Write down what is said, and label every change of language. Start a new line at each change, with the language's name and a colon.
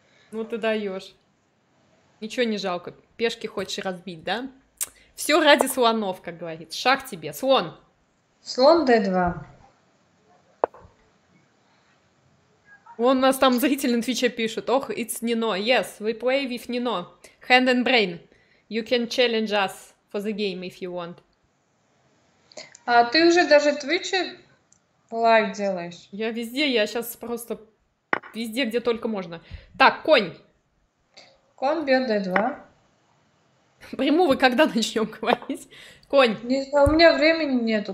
Russian: Ну, ты даешь. Ничего не жалко. Пешки хочешь разбить, да? Все ради слонов, как говорит. Шаг тебе. Слон. Слон D2. Вон у нас там зритель на Твиче пишет.
English: Ох, it's Nino. Yes, we play with Nino. Hand and brain. You can challenge us for the game if you want.
Russian: А ты уже даже Твиче лайк делаешь? Я везде, я сейчас просто везде, где только можно. Так, конь. Конь бьет D2. Приму, вы когда начнем говорить? Конь. Не знаю, у меня времени нету.